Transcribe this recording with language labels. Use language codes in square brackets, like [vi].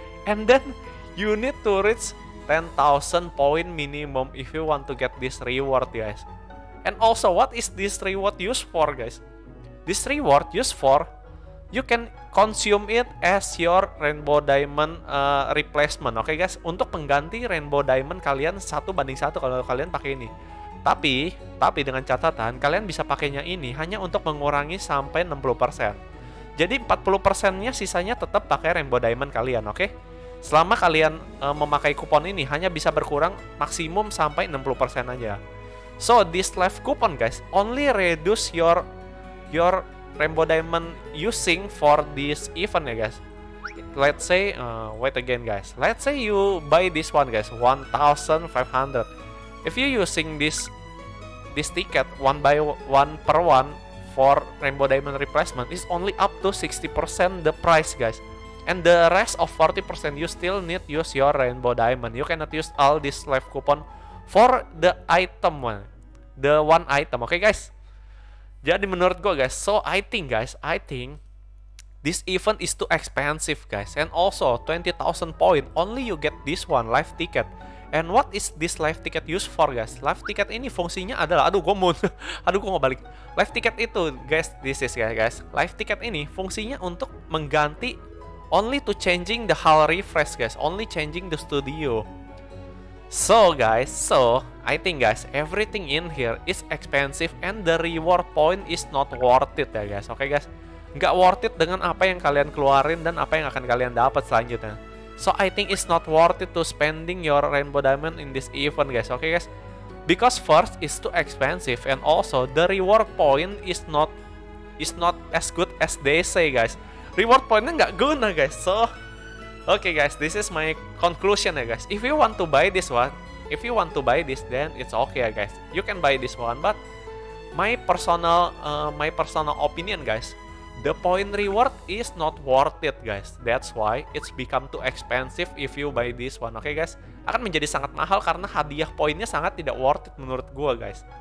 [en] And then you need to reach 10,000 poin minimum if you want to get this reward guys. And also what is this reward used for guys? This reward used for, you can consume it as your Rainbow Diamond replacement. [id] Okay guys, untuk pengganti Rainbow Diamond kalian 1 banding 1 kalau kalian pakai ini. Tapi dengan catatan, kalian bisa pakainya ini hanya untuk mengurangi sampai 60%. Jadi 40%-nya sisanya tetap pakai Rainbow Diamond kalian, oke? Okay? Selama kalian memakai kupon ini hanya bisa berkurang maksimum sampai 60% aja. [en] So, this live coupon guys, only reduce your Rainbow Diamond using for this event ya guys. Let's say wait again guys. Let's say you buy this one guys, 1,500. If you using this ticket 1 by 1 per 1 for Rainbow Diamond replacement, is only up to 60% the price guys. And the rest of 40% you still need use your Rainbow Diamond. You cannot use all this live coupon for the item one. The one item, okay guys. [id] Jadi menurut gue [en] guys, so I think this event is too expensive guys. And also 20,000 point only you get this one live ticket. And what is this live ticket used for guys? [id] Live ticket ini fungsinya adalah, aduh gue mau balik. [en] Live ticket itu guys, this is guys. Live ticket [id] ini fungsinya untuk mengganti, [en] only to changing the hall refresh guys, only changing the studio. So I think guys, everything in here is expensive and the reward point is not worth it ya guys. [id] Okay guys, nggak worth it dengan apa yang kalian keluarin dan apa yang akan kalian dapat selanjutnya. [en] So I think it's not worth it to spending your Rainbow Diamond in this event guys. Okay guys, because first it's too expensive and also the reward point is not as good as they say guys. [id] reward pointnya nggak guna, [en] guys. So, okay, guys, this is my conclusion, ya, guys. If you want to buy this one, if you want to buy this, then it's okay, ya, guys. You can buy this one, but my personal opinion, guys, the point reward is not worth it, guys. That's why it's become too expensive if you buy this one, okay, guys. [id] Akan menjadi sangat mahal karena hadiah poinnya sangat tidak worth it menurut gua, guys.